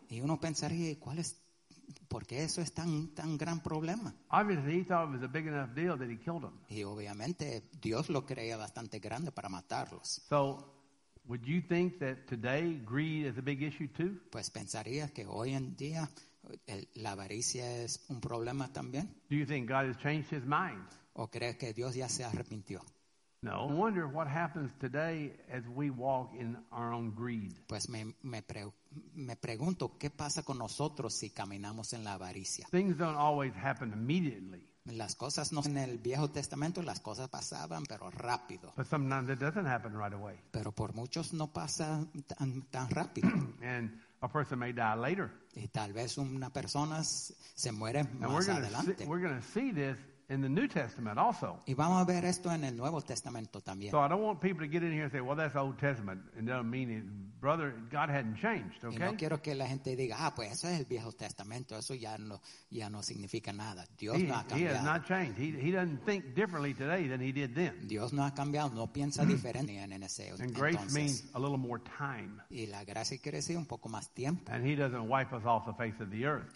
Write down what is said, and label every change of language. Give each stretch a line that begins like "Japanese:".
Spanish: Y uno pensaría, ¿cuál es, por qué eso es tan, tan gran problema?
English: Obviously, he thought it was a big enough deal that he killed them.
Spanish: Y obviamente, Dios lo creía bastante grande para matarlos.
English: So, would you think that today, greed is a big issue too?
Spanish: Pues pensaría que hoy en día, la avaricia es un problema también.
English: Do you think God has changed his mind?
Spanish: ¿O crees que Dios ya se arrepintió? No.
English: I wonder what happens today as we walk in our own greed.
Spanish: Pues me pregunto, ¿qué pasa con nosotros si caminamos en la avaricia?
English: Things don't always happen immediately.
Spanish: Las cosas no en el Viejo Testamento, las cosas pasaban, pero rápido.
English: But sometimes it doesn't happen right away.
Spanish: Pero por muchos no pasa tan rápido.
English: And a person may die later.
Spanish: Y tal vez una persona se muere más adelante.
English: We're going to see this in the New Testament also.
Spanish: Y vamos a ver esto en el Nuevo Testamento también.
English: So I don't want people to get in here and say, well, that's Old Testament. And that doesn't mean it. Brother, God hadn't changed, okay?
Spanish: Y no quiero que la gente diga, ah, pues eso es el Viejo Testamento. Eso ya no significa nada. Dios no ha cambiado.
English: He has not changed. He doesn't think differently today than he did then.
Spanish: Dios no ha cambiado. No piensa diferente en ese entonces.
English: And grace means a little more time.
Spanish: Y la gracia quiere decir un poco más tiempo.
English: And he doesn't wipe us off the face of the earth.